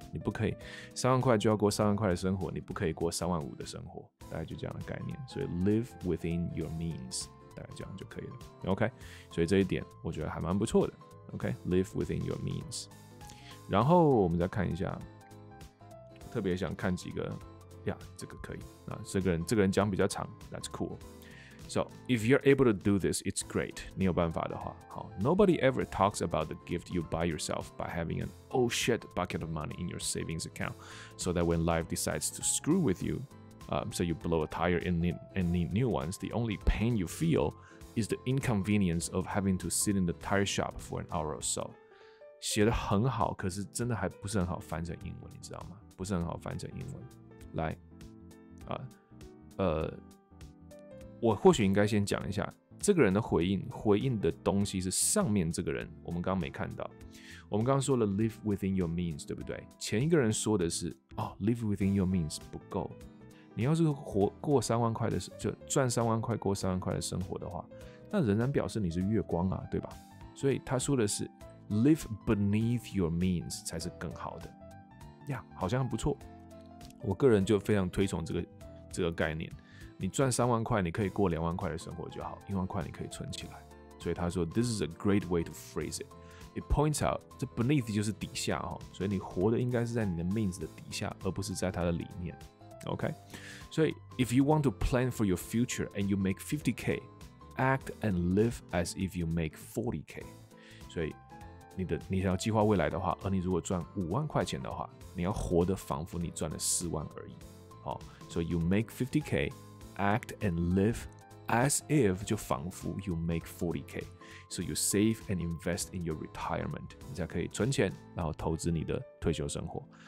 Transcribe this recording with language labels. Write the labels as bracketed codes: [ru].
[zh] 你不可以30000块就要过30000块的生活，你不可以过35000的生活，大概就这样的概念。所以 [en] live within your means。 [zh] 大概这样就可以了 ，OK。所以这一点我觉得还蛮不错的 ，OK。 [en] Live within your means。 [zh] 然后我们再看一下，特别想看几个呀，这个可以啊。这个人讲比较长 ， [en] That's cool。 So if you're able to do this, it's great。 [zh] 你有办法的话，好。 [en] Nobody ever talks about the gift you buy yourself by having an oh shit bucket of money in your savings account, so that when life decides to screw with you。 So you blow a tire and need new ones. The only pain you feel is the inconvenience of having to sit in the tire shop for an hour or so. [zh] 写得很好，可是真的还不是很好翻成英文，你知道吗？不是很好翻成英文。来，我或许应该先讲一下这个人的回应的东西是上面这个人，我们刚没看到。我们刚刚说了 [en] live within your means， [zh] 对不对？前一个人说的是哦 ， [en] live within your means [zh] 不够。你要是活过三万块的，就赚三万块过三万块的生活的话，那仍然表示你是月光啊，对吧？所以他说的是 [en] live beneath your means [zh] 才是更好的呀， yeah， 好像很不错。我个人就非常推崇这个概念。你赚三万块，你可以过20000块的生活就好，10000块你可以存起来。所以他说 [en] this is a great way to phrase it。 It points out [zh] 这 beneath 就是底下哈，所以你活的应该是在你的 means 的底下，而不是在它的里面。 [en] OK， [zh] 所以 [en] if you want to plan for your future and you make 50k, act and live as if you make 40k。 [zh] 所以你想要计划未来的话，而你如果赚50000块钱的话，你要活得仿佛你赚了40000而已。好，所以 [en] you make 50k, act and live as if [zh] 就仿佛 [en] you make 40k。 So you save and invest in your retirement， [zh] 你才可以存钱，然后投资你的退休生活。